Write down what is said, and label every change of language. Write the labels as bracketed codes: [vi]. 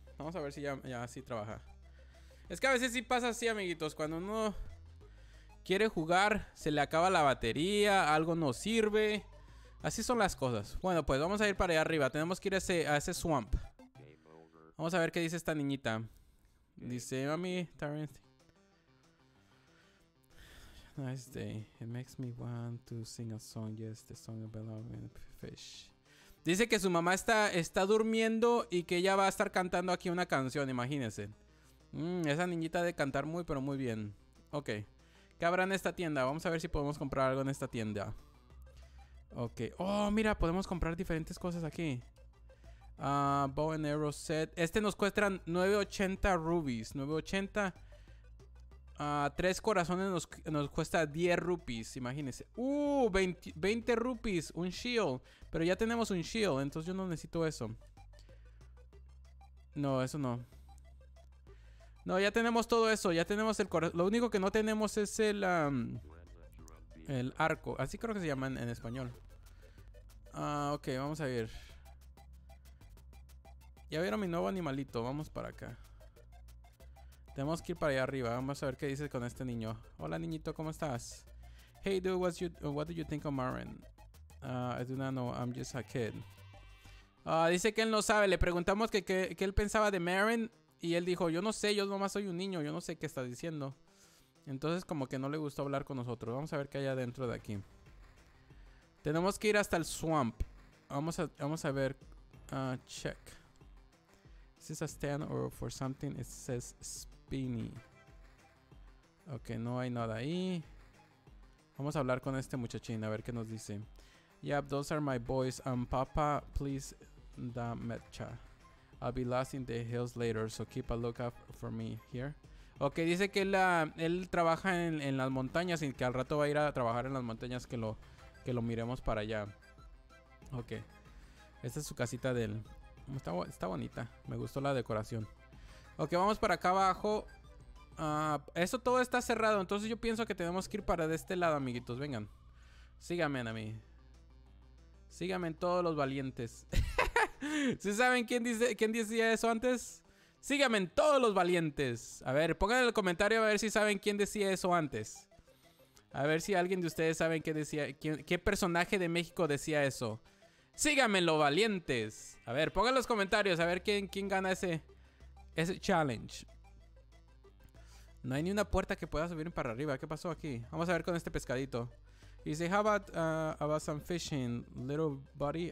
[es] Vamos a ver si ya sí trabaja. Es que a veces sí pasa así, amiguitos. Cuando uno quiere jugar, se le acaba la batería, algo no sirve. Así son las cosas. Bueno, pues vamos a ir para allá arriba. Tenemos que ir a ese swamp. Vamos a ver qué dice esta niñita. Dice, mami, Tarantino. [en] Nice day. It makes me want to sing a song. Yes, the song about a fish. [es] Dice que su mamá está durmiendo y que ella va a estar cantando aquí una canción, imagínense. Esa niñita debe cantar muy, pero muy bien. Ok. ¿Qué habrá en esta tienda? Vamos a ver si podemos comprar algo en esta tienda. Ok. Oh, mira, podemos comprar diferentes cosas aquí. [en] Bow and arrow set. [es] Este nos cuesta [en] 980 rubies. 980. [es] Tres corazones nos cuesta 10 rupees, imagínense. 20 rupees, un shield. Pero ya tenemos un shield, entonces yo no necesito eso. No, eso no. No, ya tenemos todo eso, ya tenemos el corazón. Lo único que no tenemos es el arco. Así creo que se llama en español. Ok, vamos a ir. Ya vieron mi nuevo animalito, vamos para acá. Tenemos que ir para allá arriba. Vamos a ver qué dices con este niño. Hola, niñito, ¿cómo estás? [en] Hey, dude, what do you think of Marin? I do not know. I'm just a kid. [es] Dice que él no sabe. Le preguntamos que él pensaba de Marin. Y él dijo, yo no sé. Yo nomás soy un niño. Yo no sé qué estás diciendo. Entonces, como que no le gustó hablar con nosotros. Vamos a ver qué hay adentro de aquí. Tenemos que ir hasta el swamp. Vamos a ver. Check. [en] Is this a stand or for something? It says Spinny. [es] Ok, no hay nada ahí. Vamos a hablar con este muchachín a ver qué nos dice. [en] Yep, those are my boys. Papa, please, da mecha. I'll be lost in the hills later, so keep a lookout for me here. [es] Ok, dice que él trabaja en las montañas y que al rato va a ir a trabajar en las montañas, que lo miremos para allá. Ok, esta es su casita de él. Está bonita, me gustó la decoración. Ok, vamos para acá abajo. Esto todo está cerrado, entonces yo pienso que tenemos que ir para de este lado, amiguitos. Vengan, síganme a mí. Síganme todos los valientes. ¿Sí saben quién decía eso antes? Síganme todos los valientes. A ver, pongan en el comentario a ver si saben quién decía eso antes. A ver si alguien de ustedes saben qué decía, qué personaje de México decía eso. Síganme los valientes. A ver, pongan los comentarios a ver quién gana ese challenge. No hay ni una puerta que pueda subir para arriba. ¿Qué pasó aquí? Vamos a ver con este pescadito. [en] Dice, how about some fishing, little buddy?